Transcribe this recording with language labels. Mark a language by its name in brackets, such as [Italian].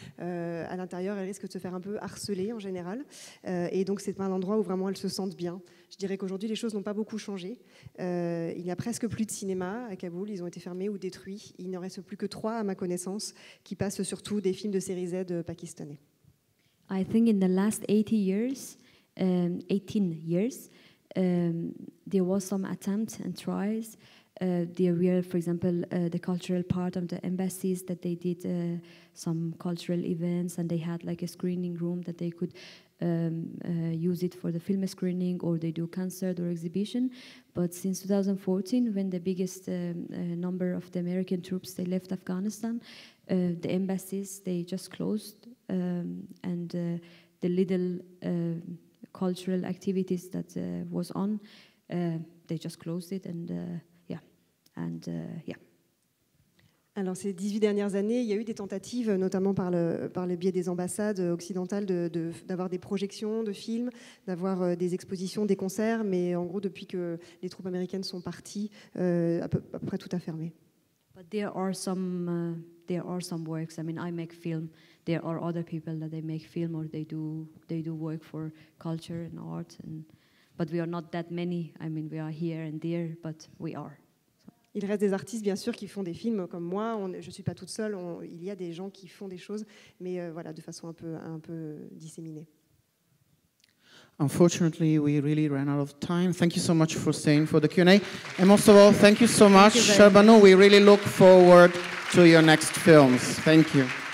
[French] À l'intérieur, elles risquent de se faire un peu harceler en général. Et donc, c'est pas un endroit où vraiment elles se sentent bien. Je dirais qu'aujourd'hui, les choses n'ont pas beaucoup changé. Il n'y a presque plus de cinéma à Kaboul. Ils ont été fermés ou détruits. Il n'en reste plus que 3, à ma connaissance, qui passent surtout des films de série Z pakistanais. [English] I think in the last 18 years, there was some attempts and tries. There were, for example, the cultural part of the embassies that they did some cultural events, and they had like a screening room that they could use it for the film screening, or they do concert or exhibition. But since 2014, when the biggest number of the American troops, they left Afghanistan, the embassies, they just closed, and the little cultural activities that was on, they just closed it, and [French] Alors, ces 18 dernières années, il y a eu des tentatives, notamment par le biais des ambassades occidentales, d'avoir des projections de films, d'avoir des expositions, des concerts, mais en gros, depuis que les troupes américaines sont parties, à peu près tout a fermé. [English] But there are some works. I mean, I make film. There are other people that they make film or they do work for culture and art. And, but we are not that many. I mean, we are here and there, but we are. [French] Il reste des artistes, bien sûr, qui font des films comme moi. Je ne suis pas toute seule. Il y a des gens qui font des choses, mais voilà, de façon un peu disséminée. [English] Unfortunately, we really ran out of time. Thank you so much for staying for the Q&A. And most of all, thank you so much, Shahrbanoo. We really look forward to your next films. Thank you.